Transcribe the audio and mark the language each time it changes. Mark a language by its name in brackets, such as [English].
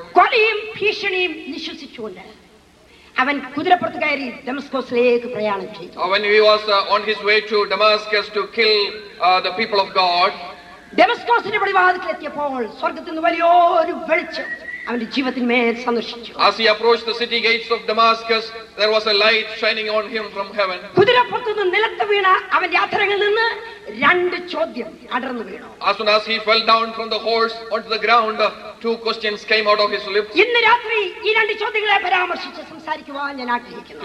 [Malayalam] കൊലയും ഭീഷണിയും നിശ്വസിച്ചുകൊണ്ട് അവൻ കുതിരപ്പുറത്ത് കയറി ഡമസ്കോസിലേക്ക് പ്രയാണം ചെയ്തു. [English] When he was on his way to Damascus to kill the people of God, [Malayalam] ഡമസ്കോസിന്റെ പടിവാതിൽക്കൽ എത്തിയപ്പോൾ സ്വർഗ്ഗത്തിൽ നിന്ന് വലിയൊരു വെളിച്ചം അവന്റെ ജീവിതത്തിന്മേൽ സന്ദർശിച്ചു. [English] As he approached the city gates of Damascus, there was a light shining on him from heaven. [Malayalam] കുതിരപ്പുറത്ത് നിന്ന് നിലത്ത് വീണ അവന്റെ അധരങ്ങളിൽ നിന്ന് രണ്ട് ചോദ്യം അടർന്നു വീണു. [English] As soon as he fell down from the horse onto the ground, two questions came out of his lips. [Malayalam] ഇന്ന് രാത്രി ഈ രണ്ട് ചോദ്യങ്ങളെ പരാമർശിച്ച് സംസാരിക്കുവാൻ ഞാൻ ആഗ്രഹിക്കുന്നു.